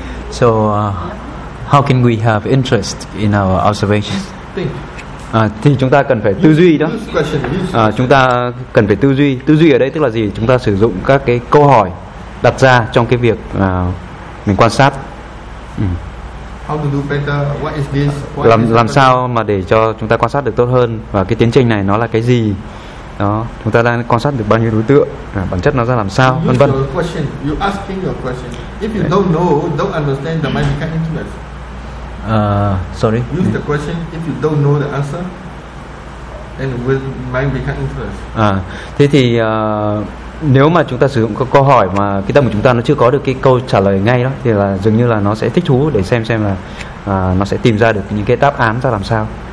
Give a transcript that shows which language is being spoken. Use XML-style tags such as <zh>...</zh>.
<en>So how can we have interest in our observation?</en> <vi>Thì chúng ta cần phải tư duy đó. Chúng ta cần phải tư duy. Tư duy ở đây tức là gì? Chúng ta sử dụng các cái câu hỏi đặt ra trong cái việc mình quan sát.</vi> <en>How to do better? What is this? What</en> <vi>làm sao mà để cho chúng ta quan sát được tốt hơn, và cái tiến trình này nó là cái gì? Đó, chúng ta đang quan sát được bao nhiêu đối tượng, bản chất nó ra làm sao, vân vân.</vi> <en>You asking your question. If you don't know, don't understand the mind becomes interest. Sorry. Use the question. If you don't know the answer, then will mind become interest.</en> <vi>Thế thì nếu mà chúng ta sử dụng câu hỏi mà cái tâm của chúng ta nó chưa có được cái câu trả lời ngay đó, thì là dường như là nó sẽ thích thú để xem là nó sẽ tìm ra được những cái đáp án ra làm sao.</vi>